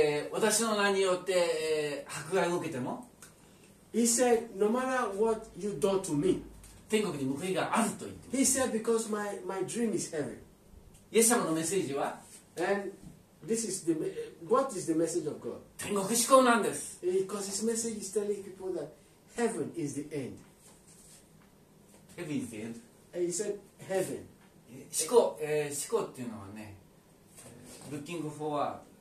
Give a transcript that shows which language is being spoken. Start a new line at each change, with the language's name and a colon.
Japanese: 私の名によって、迫害を受けても
English: He said, no matter what you do to me,
Japanese: 天国に報いがあると言って
English: He said, because my dream is heaven.
Japanese: イエス様のメッセージは
English: And this is the, what is the message of God?
Japanese: 天国志向なんです
English: Because his message is telling people that heaven is the end. Heaven is the end? And he said, heaven.
Japanese: 志向、志向っていうのはね、
English: looking forward